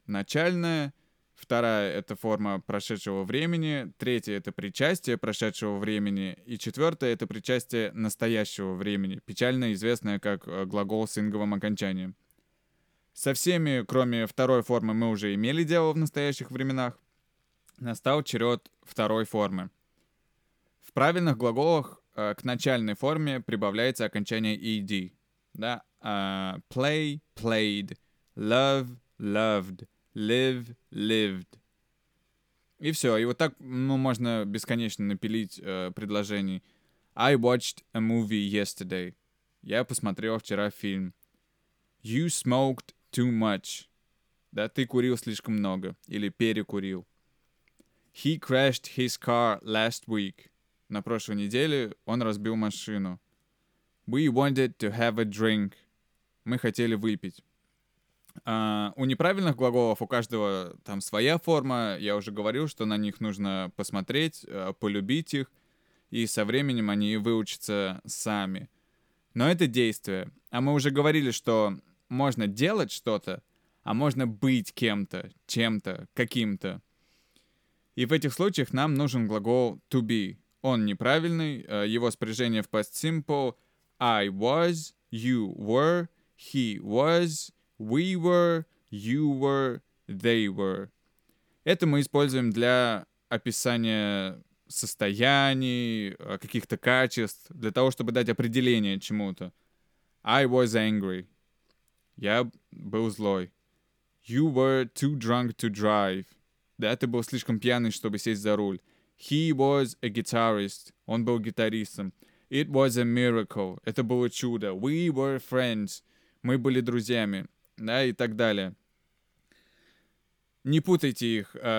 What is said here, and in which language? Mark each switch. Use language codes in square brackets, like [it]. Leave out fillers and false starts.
[ru] Начальная, 2-я — это форма прошедшего времени, 3-я — это причастие прошедшего времени, и 4-я — это причастие настоящего времени, печально известное как глагол с инговым окончанием. Со всеми, кроме 2-й формы, мы уже имели дело в настоящих временах. Настал черед 2-й формы. В правильных глаголах к начальной форме прибавляется окончание «ed». Да? [en] Play, played, love, loved, live, lived. [ru] И все. И вот так, ну, можно бесконечно напилить предложений. [en] I watched a movie yesterday. [ru] Я посмотрел вчера фильм. [en] You smoked too much. [ru] Да, ты курил слишком много. Или перекурил. [en] He crashed his car last week. [ru] На прошлой неделе он разбил машину. [en] We wanted to have a drink. [ru] Мы хотели выпить. У неправильных глаголов у каждого там своя форма. Я уже говорил, что на них нужно посмотреть, полюбить их. И со временем они выучатся сами. Но это действие. А мы уже говорили, что можно делать что-то, а можно быть кем-то, чем-то, каким-то. И в этих случаях нам нужен глагол to be. Он неправильный. Его спряжение в past simple. [en] I was, you were, he was, we were, you were, they were. [ru] Это мы используем для описания состояний, каких-то качеств, для того, чтобы дать определение чему-то. [en] I was angry. [ru] Я был злой. [en] You were too drunk to drive. [ru] Да, ты был слишком пьяный, чтобы сесть за руль. [en] He was a guitarist. [ru] Он был гитаристом. [en] It was a miracle. [ru] Это было чудо. [en] We were friends. [ru] Мы были друзьями. Да, и так далее. Не путайте их.